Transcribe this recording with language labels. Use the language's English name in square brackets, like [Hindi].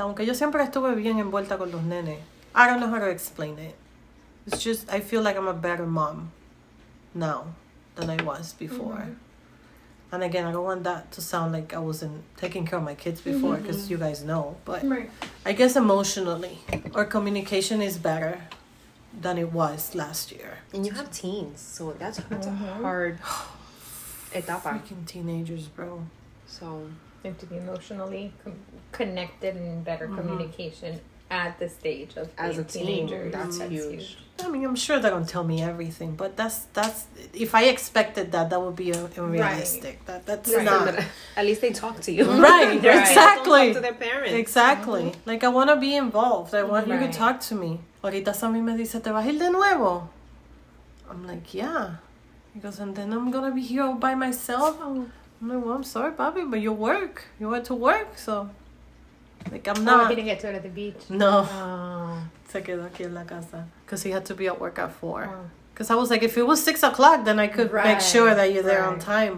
[Spanish] Aunque yo siempre estuve bien envuelta con los nenes. [English] I don't know how to explain it. It's just I feel like I'm a better mom now than I was before. Mm-hmm. And again, I don't want that to sound like I wasn't taking care of my kids before, because mm-hmm. you guys know. But right. I guess emotionally, our communication is better. Than it was last year. And you have teens, so that's mm-hmm. a hard etapa. Freaking teenagers, bro. So you have to be emotionally connected and better mm-hmm. communication at the stage of as a teenager. That's huge. I mean, I'm sure they're gonna tell me everything, but that's if I expected that would be unrealistic. Right. That's not. At least they talk to you, right? Right. Exactly. Talk to their parents. Exactly. Mm-hmm. Like I want to be involved. I want you to talk to me. [Spanish] Ahorita Sammy me dice, ¿te vas a ir de nuevo? [English] I'm like, yeah. He goes, and then I'm going to be here all by myself. I'm like, well, I'm sorry, Bobby, but you work. You went to work, so. Like, I'm not. Oh, he didn't get to go to the beach. No. Oh. [Spanish] Se quedó aquí en la casa. [English] Because he had to be at work at 4. Because I was like, if it was 6 o'clock, then I could make sure that you're there on time.